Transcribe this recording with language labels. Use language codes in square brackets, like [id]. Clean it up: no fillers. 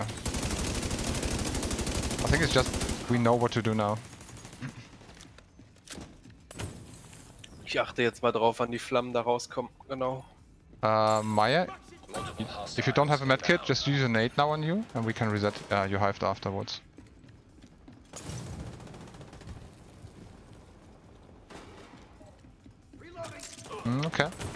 [en] I think it's just we know what to do now. [de] Ich achte jetzt mal drauf, wann die Flammen da rauskommen, genau. [en] Maya, if you don't have a medkit, just use a nade now on you and we can reset your hive afterwards. Okay.